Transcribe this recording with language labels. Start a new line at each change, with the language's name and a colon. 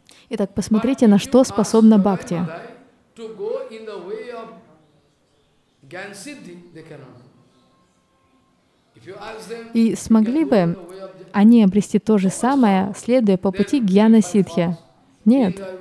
Russian: Итак, посмотрите, на что способна бхакти.
English: To go in the way of Gansiddhi, they cannot. If you ask them,
Russian: и смогли бы они обрести то же самое, следуя по пути Гьяна Сиддхи? Нет.